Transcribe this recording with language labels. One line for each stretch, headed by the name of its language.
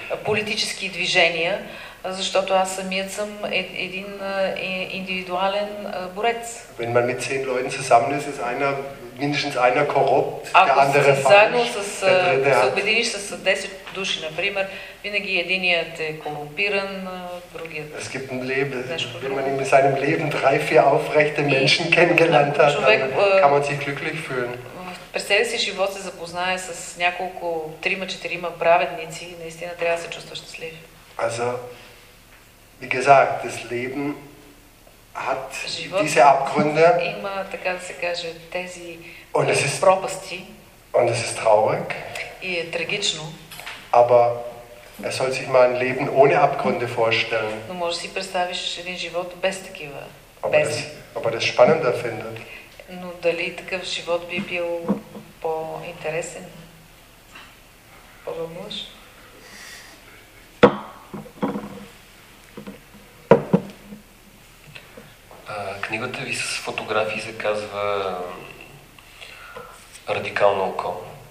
Bulgarian: Политически движения, защото аз самият съм един индивидуален борец.
German: Wenn man mit 10 Leuten zusammen ist, ist einer mindestens einer korrupt,
Bulgarian: ако
German: der andere falsch.
Bulgarian: Ако се обединиш с 10 души, например, винаги единият е корумпиран, другият.
German: Es gibt ein Leben, wenn man in seinem Leben 3-4 aufrechte Menschen kennengelernt hat, човек, dann kann man sich glücklich fühlen.
Bulgarian: През целия си живот се запознае с няколко 3-4 праведници, наистина трябва да се чувства щастлив.
German: Also, wie gesagt, das Leben hat diese Abgründe
Bulgarian: има, така да се каже, тези пропасти.
German: Und es ist traurig.
Bulgarian: И е трагично.
German: Aber er soll sich mal ein Leben ohne Abgründe vorstellen.
Bulgarian: Но може си представиш един живот без такива.
German: Aber das spannender findet.
Bulgarian: Но дали такъв живот би бил по-интересен? По-вълнуващ? Книгата ви с фотографии се казва Радикално око.